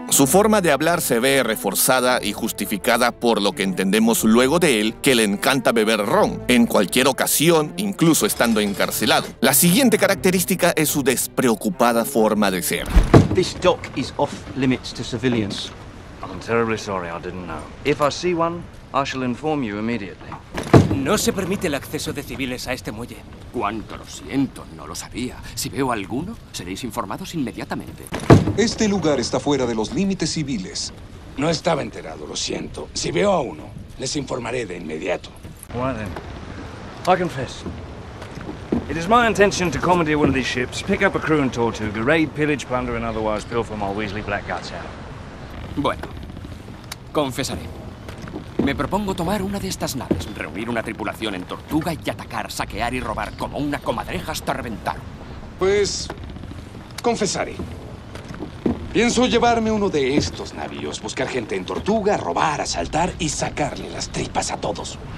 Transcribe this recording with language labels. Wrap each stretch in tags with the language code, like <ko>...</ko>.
<es>Su forma de hablar se ve reforzada y justificada por lo que entendemos luego de él, que le encanta beber ron, en cualquier ocasión, incluso estando encarcelado. La siguiente característica es su despreocupada forma de ser.</es> <en>This dock is off limits to civilians. I'm terribly sorry, I didn't know. If I see one, I shall inform you immediately.</en> <es>No se permite el acceso de civiles a este muelle. Cuánto lo siento, no lo sabía. Si veo alguno, seréis informados inmediatamente. Este lugar está fuera de los límites civiles. No estaba enterado, lo siento. Si veo a uno, les informaré de inmediato.</es> <en>Well then, I confess. It is my intention to commandeer one of these ships, pick up a crew and Tortuga, raid, pillage, plunder and otherwise pilfer my Weasley black guts out.</en> <es>Bueno, confesaré. Me propongo tomar una de estas naves, reunir una tripulación en Tortuga y atacar, saquear y robar como una comadreja hasta reventar. Pues confesaré. Pienso llevarme uno de estos navíos, buscar gente en Tortuga, robar, asaltar y sacarle las tripas a todos.</es>